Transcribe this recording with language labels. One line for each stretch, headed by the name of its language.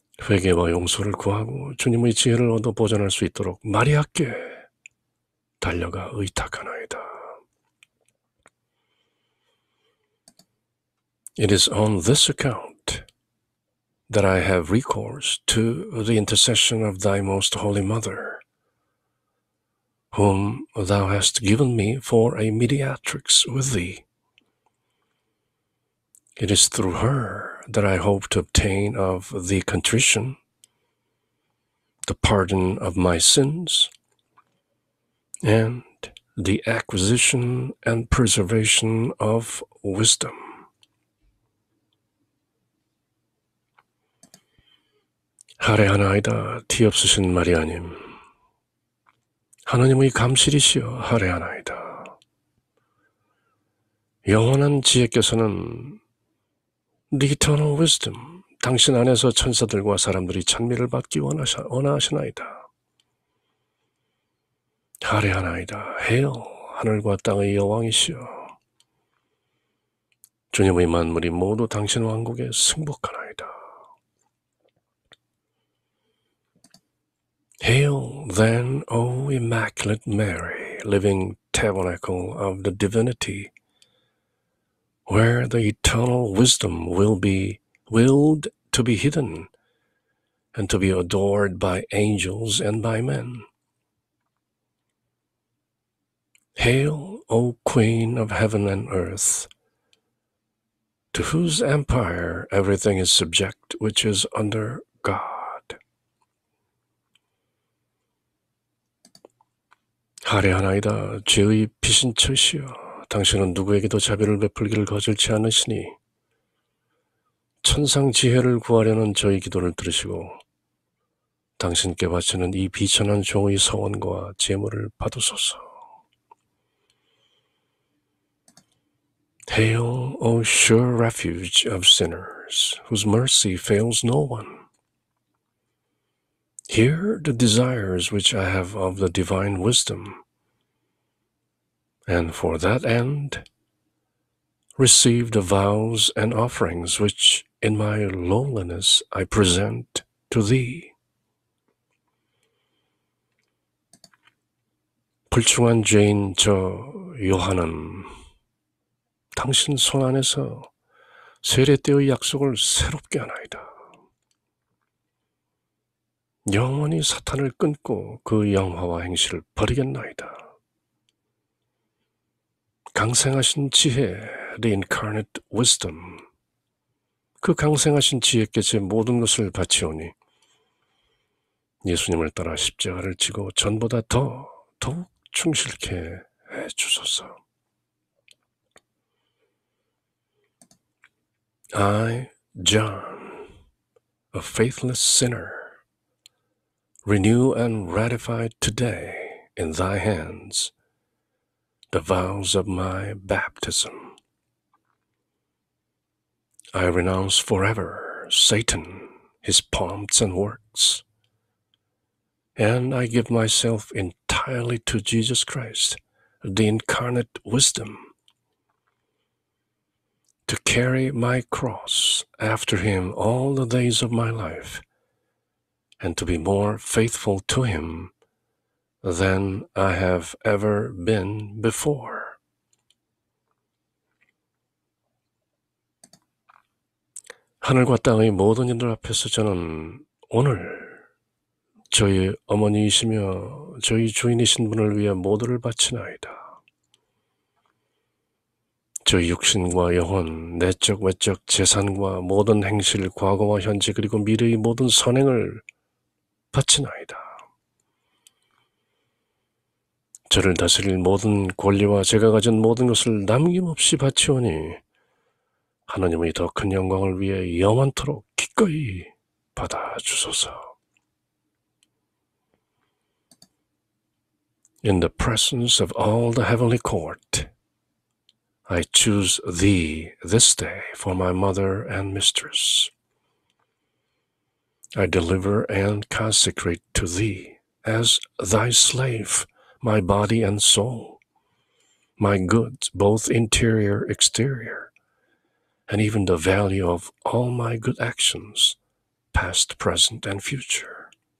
Korean: 회개와 용서를 구하고 주님의 지혜를 얻어 보전할 수 있도록 마리아께 달려가 의탁하나이다.
English: It is on this account that I have recourse to the intercession of thy most holy mother, whom thou hast given me for a mediatrix with thee. It is through her that I hope to obtain of thee contrition, the pardon of my sins, and the acquisition and preservation of wisdom.
Korean: 하례하나이다, 티없으신 마리아님. 하나님의 감실이시여, 하례하나이다. 영원한 지혜께서는
English: The eternal wisdom,
Korean: 당신 안에서 천사들과 사람들이 찬미를 받기 원하시나이다. 하례하나이다.
English: Hail,
Korean: 하늘과 땅의 여왕이시여. 주님의 만물이 모두 당신 왕국에 승복하나이다.
English: Hail, then, O Immaculate Mary, living tabernacle of the divinity, where the eternal wisdom will be willed to be hidden and to be adored by angels and by men. Hail, O Queen of heaven and earth, to whose empire everything is subject which is under God.
Korean: 하례하나이다, 죄의 피신처시오. 당신은 누구에게도 자비를 베풀기를 거절치 않으시니 천상 지혜를 구하려는 저희 기도를 들으시고 당신께 바치는 이 비천한 종의 서원과 재물을 받으소서.
English: Hail, O sure refuge of sinners, whose mercy fails no one. Hear the desires which I have of the divine wisdom. And for that end, receive the vows and offerings which in my loneliness I present to thee.
Korean: 불충한 죄인 저 요한은 당신 손 안에서 세례 때의 약속을 새롭게 하나이다. 영원히 사탄을 끊고 그 영화와 행실을 버리겠나이다. 강생하신 지혜,
English: the incarnate wisdom.
Korean: 그 강생하신 지혜께 제 모든 것을 바치오니 예수님을 따라 십자가를 지고 전보다 더욱 충실케 해 주소서.
English: I, John, a faithless sinner, renew and ratify today in thy hands the vows of my baptism. I renounce forever Satan, his pomps and works, and I give myself entirely entirely to Jesus Christ, the incarnate wisdom, to carry my cross after him all the days of my life, and to be more faithful to him than I have ever been before.
Korean: "하늘과 땅의 모든 이들 앞에서 저는 오늘 저희 어머니이시며 저희 주인이신 분을 위해 모두를 바치나이다. 저희 육신과 영혼, 내적 외적 재산과 모든 행실, 과거와 현재 그리고 미래의 모든 선행을 바치나이다. 저를 다스릴 모든 권리와 제가 가진 모든 것을 남김없이 바치오니 하나님의 더 큰 영광을 위해 영원토록 기꺼이 받아주소서."
English: "In the presence of all the heavenly court, I choose thee this day for my mother and mistress. I deliver and consecrate to thee as thy slave my body and soul, my goods, both interior, exterior, and even the value of all my good actions, past, present, and future."